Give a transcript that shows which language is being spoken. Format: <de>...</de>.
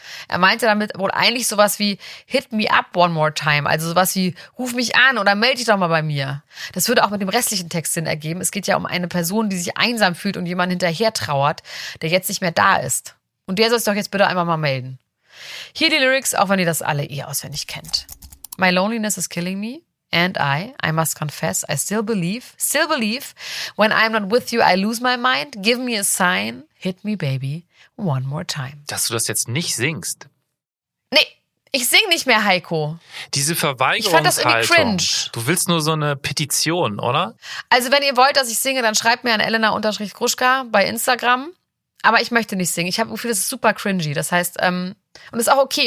<de>Er meinte damit wohl eigentlich sowas wie</de> <en>Hit me up one more time,</en> <de>also sowas wie Ruf mich an oder melde dich doch mal bei mir. Das würde auch mit dem restlichen Text Sinn ergeben. Es geht ja um eine Person, die sich einsam fühlt und jemand hinterher trauert, der jetzt nicht mehr da ist. Und der soll sich doch jetzt bitte einfach mal melden. Hier die Lyrics, auch wenn ihr das alle eh auswendig kennt.</de> <en>My loneliness is killing me. And I must confess, I still believe, when I'm not with you, I lose my mind. Give me a sign, hit me, baby, one more time.</en> <de>Dass du das jetzt nicht singst. Nee, ich sing nicht mehr, Heiko. Diese Verweigerungshaltung. Ich fand das irgendwie cringe. Du willst nur so eine Petition, oder? Also wenn ihr wollt, dass ich singe, dann schreibt mir an Elena_Gruschka bei Instagram. Aber ich möchte nicht singen. Ich habe Gefühl, das ist super cringy. Das heißt, und ist auch okay.</de>